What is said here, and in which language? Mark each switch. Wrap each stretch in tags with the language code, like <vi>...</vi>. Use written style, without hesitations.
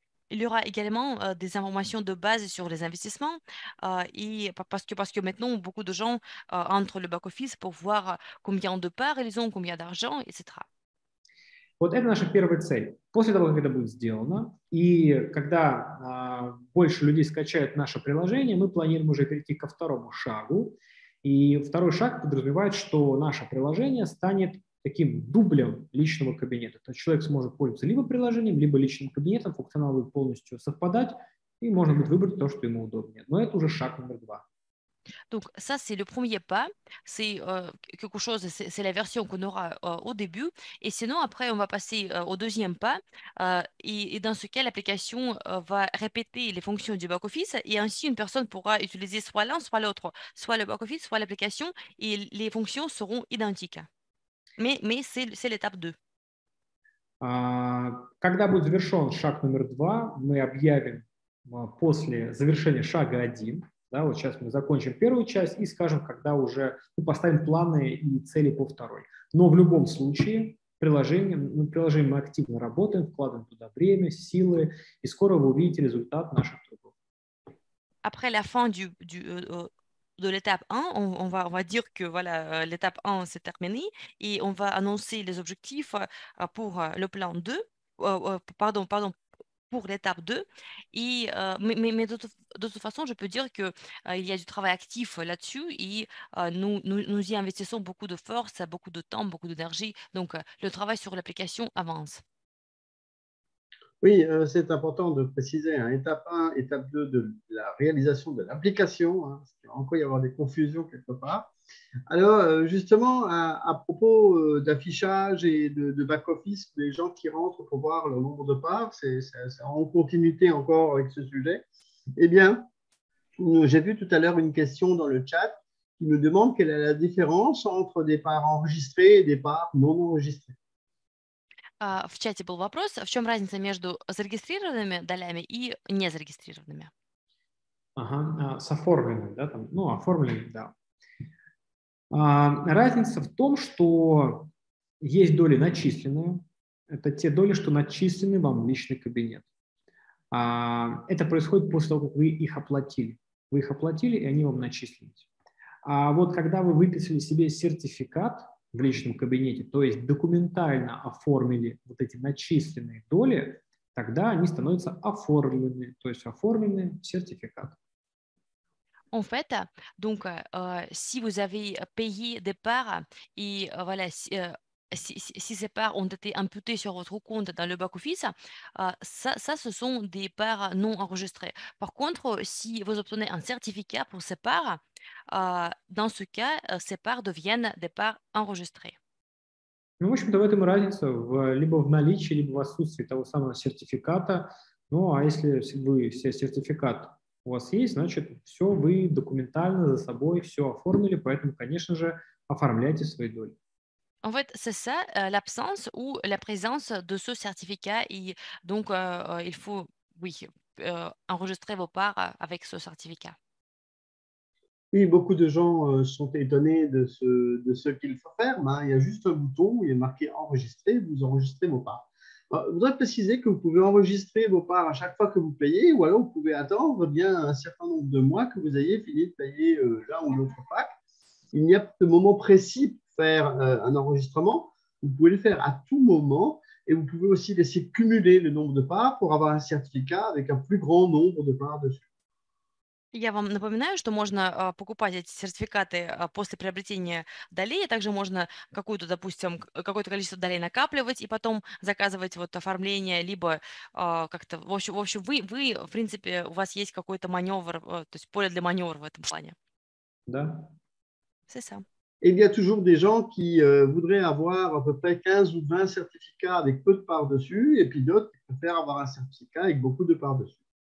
<fr>Il y aura également des informations de base sur les investissements et parce que maintenant beaucoup de gens entrent le back office pour voir combien de parts ils ont, combien d'argent, etc.</fr> <ru>Вот это наша первая цель. После того, как это будет сделано, и когда больше людей скачают наше приложение, мы планируем уже перейти ко второму шагу. И второй шаг подразумевает, что наше приложение станет таким дублем личного кабинета. То есть человек сможет пользоваться либо приложением, либо личным кабинетом, функционал будет полностью совпадать, и можно будет выбрать то, что ему удобнее. Но это уже шаг номер два.</ru> <fr>Donc ça c'est le premier pas, c'est quelque chose, c'est la version qu'on aura au début, et sinon après on va passer au deuxième pas, et dans ce cas l'application va répéter les fonctions du back-office, et ainsi une personne pourra utiliser soit l'un, soit l'autre, soit le back-office, soit l'application, et les fonctions seront identiques. Mais c'est l'étape 2.</fr> <ru>Когда будет завершен шаг номер 2, мы объявим после завершения шага 1. Да, вот сейчас мы закончим первую часть и скажем, когда уже мы поставим планы и цели по второй. Но в любом случае приложением мы активно работаем, вкладываем туда время, силы, и скоро вы увидите результат наших трудов.</ru> <fr>Après la fin de l'étape 1, on va dire que voilà, l'étape 1 c'est terminé et on va annoncer les objectifs pour le plan 2. Pardon. Pour l'étape 2. Mais de toute façon, je peux dire qu'il y a du travail actif là-dessus et nous y investissons beaucoup de force, beaucoup de temps, beaucoup d'énergie. Donc, le travail sur l'application avance. Oui, c'est important de préciser, hein, étape 1, étape 2 de la réalisation de l'application. Hein, parce qu'il y a encore y avoir des confusions quelque part. Alors, justement, à propos d'affichage et de back-office, des gens qui rentrent pour voir le nombre de parts, c'est en continuité encore avec ce sujet. Eh bien, j'ai vu tout à l'heure une question dans le chat qui nous demande quelle est la différence entre des parts enregistrées et des parts non enregistrées.</fr> <ru>В чате был вопрос, в чем разница между зарегистрированными долями и незарегистрированными? Ага, с оформленным, да, там, ну, оформленным, да. Разница в том, что есть доли начисленные. Это те доли, что начислены вам в личный кабинет. Это происходит после того, как вы их оплатили. Вы их оплатили, и они вам начислились. А вот когда вы выписали себе сертификат в личном кабинете, то есть документально оформили вот эти начисленные доли, тогда они становятся оформленными, то есть оформленный сертификат.</ru> <fr>En fait, donc, si vous avez payé des parts et voilà, si ces parts ont été imputées sur votre compte dans le back-office, ça, ce sont des parts non enregistrées. Par contre, si vous obtenez un certificat pour ces parts, dans ce cas, ces parts deviennent des parts enregistrées.</fr> <ru>Ну, в общем-то, в этом и разница, либо в наличии, либо в отсутствии того самого сертификата. Ну, а если вы все сертификат у вас есть, значит, все вы документально за собой все оформили, поэтому, конечно же, оформляйте свои доли.</ru> <fr>En fait, c'est ça, l'absence ou la présence de ce certificat. Et donc, il faut, oui, enregistrer vos parts avec ce certificat. Oui, beaucoup de gens sont étonnés de ce qu'il faut faire. Ben, il y a juste un bouton où il est marqué enregistrer, vous enregistrez vos parts. Ben, vous devez préciser que vous pouvez enregistrer vos parts à chaque fois que vous payez, ou alors vous pouvez attendre bien un certain nombre de mois que vous ayez fini de payer l'un ou l'autre pack. Il n'y a pas de moment précis pour faire un enregistrement. Vous pouvez le faire à tout moment et vous pouvez aussi laisser cumuler le nombre de parts pour avoir un certificat avec un plus grand nombre de parts dessus.</fr> <ru>Я вам напоминаю, что можно покупать эти сертификаты после приобретения долей, а также можно какую-то, допустим, какое-то количество долей накапливать и потом заказывать вот оформление, либо как-то, в общем, вы, в принципе, у вас есть какой-то маневр, то есть поле для маневра в этом плане. Да.</ru> <fr>C'est ça. Il y a toujours des gens qui voudraient avoir à peu près 15 ou 20 certificats avec peu de parts dessus, et puis d'autres qui préfèrent avoir un certificat avec beaucoup de parts dessus.</fr>